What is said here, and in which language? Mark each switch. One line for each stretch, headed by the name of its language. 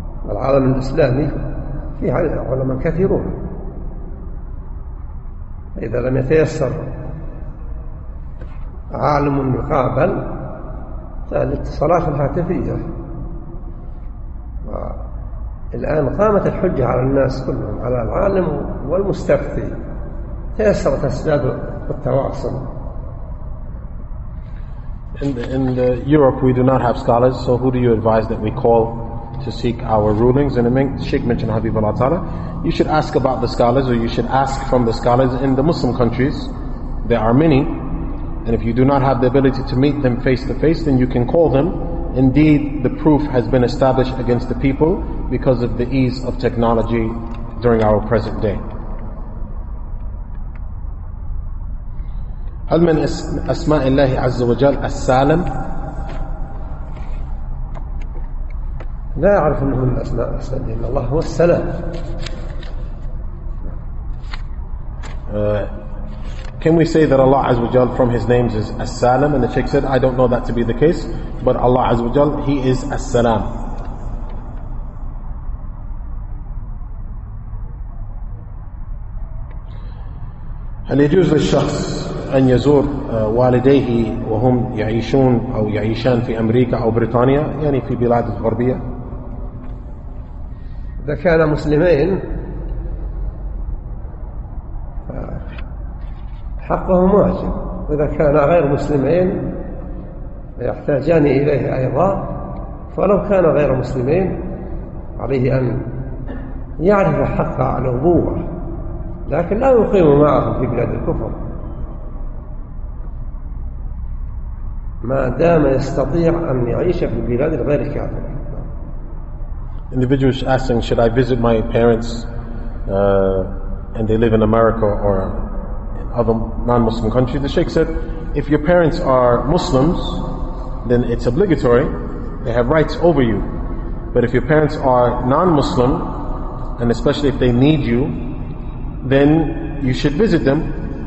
Arabic: العالم الإسلامي فيه علماء كثيرون، إذا لم يتيسر عالم مقابل فالاتصالات الهاتفية، والآن قامت الحجة على الناس كلهم على العالم والمستفتي، تيسرت أسباب التواصل.
English: In the Europe we do not have scholars, so who do you advise that we call to seek our rulings? And Sheikh mentioned Habib Allah Ta'ala, you should ask about the scholars, or you should ask from the scholars in the Muslim countries. There are many, and if you do not have the ability to meet them face to face, then you can call them. Indeed, the proof has been established against the people because of the ease of technology during our present day.
Arabic: هل من أسماء الله عز وجل السالم؟ لا أعرف أنه من أسماء السلام، لأن الله هو السلام.
English: Can we say that Allah عز وجل from his names is As-Salam? And the Sheikh said, I don't know that to be the case, but Allah عز وجل, he is As-Salam.
Arabic: هل يجوز للشخص أن يزور والديه وهم يعيشون أو يعيشان في أمريكا أو بريطانيا، يعني في بلاد الغربية؟ إذا كان مسلمين حقهم واجب، وإذا كان غير مسلمين يحتاجان إليه أيضا، فلو كان غير مسلمين عليه أن يعرف حق الأبوة، لكن لا يقيم معهم في بلاد الكفر ما دام يستطيع أن يعيش في بلاد الغير كافر.
English: Individual is asking, should I visit my parents and they live in America or in other non-Muslim countries, the Sheikh said, if your parents are Muslims, then it's obligatory, they have rights over you. But if your parents are non-Muslim, and especially if they need you, then you should visit them.